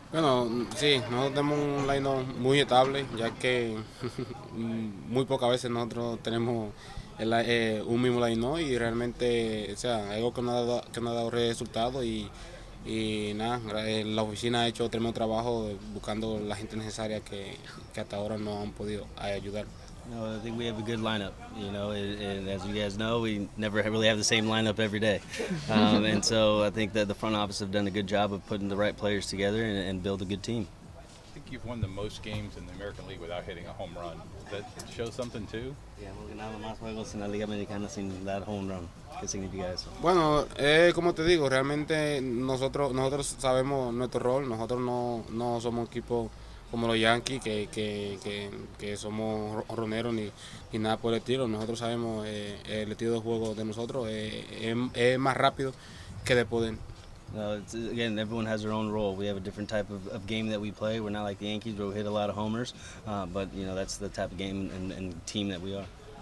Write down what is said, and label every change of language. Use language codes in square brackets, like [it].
[es] Bueno, sí, nosotros tenemos un lineup muy estable, ya que muy pocas veces nosotros tenemos un mismo lineup y realmente, o sea, algo que no ha dado resultado y. Y nada, la oficina ha hecho tremendo trabajo buscando la gente necesaria que hasta ahora no han podido ayudar. [en] No, I think we have a good lineup, you know, and as you guys know, we never really have the same lineup every day. And so I think that the front office have done a good job of putting the right players together and build a good team. I think you've won the most games in the American League without hitting a home run. Does that show something too? [es] Yeah, hemos ganado más juegos en la Liga Americana sin dar home run. ¿Qué significa eso? Bueno, como te digo, realmente nosotros sabemos nuestro rol. Nosotros no somos equipo como los Yankees que somos honroneros ni nada por el estilo. Nosotros sabemos el estilo de juego de nosotros es más rápido que de poder. [en] Again, everyone has their own role. We have a different type of game that we play. We're not like the Yankees, where we hit a lot of homers, but you know, that's the type of game and team that we are.